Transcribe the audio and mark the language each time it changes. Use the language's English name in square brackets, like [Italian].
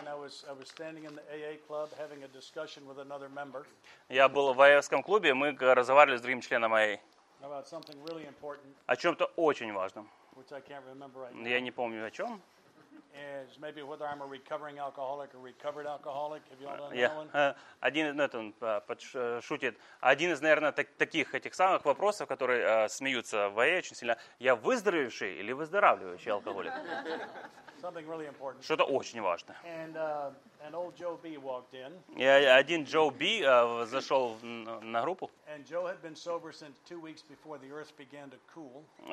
[English] And I was standing in the AA club having a discussion with another member. [Russian] Я был в АА-ском клубе, мы разговаривали с другим членом АА. [English] About something really important. [Russian] О чем-то очень важном. [English] Which I can't remember right [Russian] now. Я не помню о чем. [English] Is maybe whether I'm a recovering alcoholic or recovered alcoholic. Have you all done That one? [Russian] Один, шутит. Один из, наверное, таких самых вопросов, которые смеются в АА очень сильно. Я выздоровевший или выздоравливающий алкоголик? [English] Something really important. [Russian] Что-то очень важное. [English] And an old Joe B walked in. [Russian] И один Джо Би зашел на группу. [English] And Joe had been sober since 2 weeks before the earth began to cool.